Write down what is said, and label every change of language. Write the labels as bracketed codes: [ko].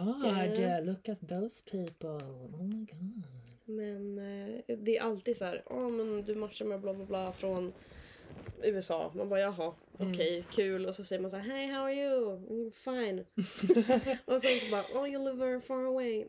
[en] Oh my god, yeah, look at those people. Oh my god. [sv] Men det är alltid så här. Men du matchar med bla bla bla från USA. Man bara, jaha, okej, kul. Och så säger man så här, [en] hey, how are you? Fine. [sv] Och sen så bara, [en] you live very far away.